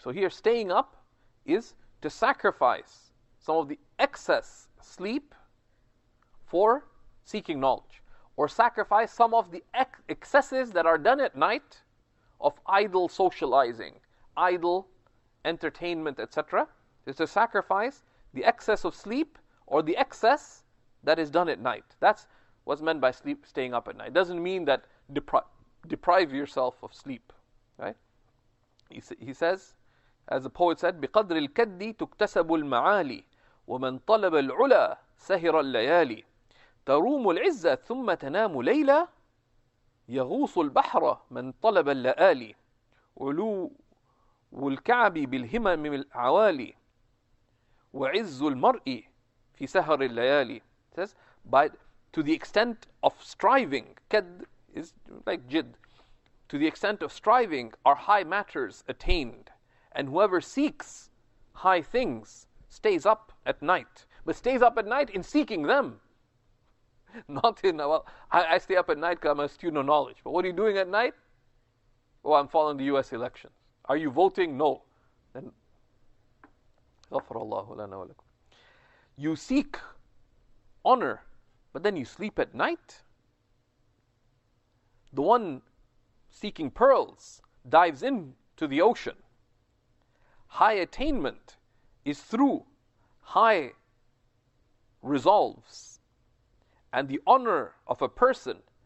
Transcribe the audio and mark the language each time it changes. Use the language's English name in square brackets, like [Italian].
[English] So here, staying up is to sacrifice some of the excess sleep for seeking knowledge, or sacrifice some of the excesses that are done at night of idle socializing, idle entertainment, etc. It's to sacrifice the excess of sleep or the excess that is done at night. That's what's meant by sleep, staying up at night. It doesn't mean that deprive yourself of sleep, right? He says, as the poet said, [Arabic] بِقَدْرِ الْكَدِّ تُكْتَسَبُ الْمَعَالِي وَمَنْ طَلَبَ الْعُلَى سَهِرَ اللَّيَالِي تَرُومُ الْعِزَّةَ ثُمَّ تَنَامُ لَيْلًا يَغُوصُ الْبَحْرَ مَنْ طَلَبَ اللَّآلِي عُلُوُّ الْكَعْبِ بِالْهِمَمِ الْعَوَالِي وَعِزُّ الْمَرْءِ فِي سَهَرِ اللَّيَالِي. [English] It says, to the extent of striving, kad is like jid, to the extent of striving are high matters attained, and whoever seeks high things stays up at night, but stays up at night in seeking them. Not in, well, I stay up at night because I'm a student of knowledge. But what are you doing at night? Oh, I'm following the US elections. Are you voting? No. [Arabic] Then, غفر الله لنا ولكم. [English] You seek honor, but then you sleep at night? The one seeking pearls dives into the ocean. High attainment is through high resolves, and the honor of a person